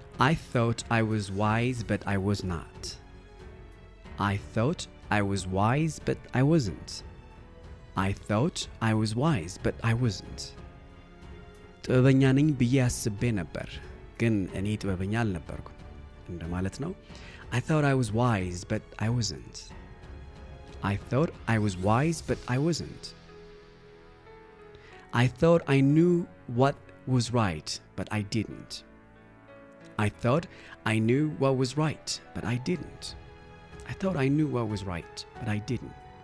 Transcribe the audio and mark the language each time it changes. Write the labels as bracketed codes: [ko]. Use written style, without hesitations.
[en] I thought I was wise but I was not. I thought I was wise but I wasn't. I thought I was wise but I wasn't. [am] ጥበበኛ ነኝ ብዬ አስቤ ነበር ግን እኔ ጥበበኛ አልነበርኩም እንደማለት ነው. [en] I thought I was wise but I wasn't. I thought I was wise but I wasn't. I thought I knew what was right but I didn't. I thought I knew what was right but I didn't. I thought I knew what was right but I didn't.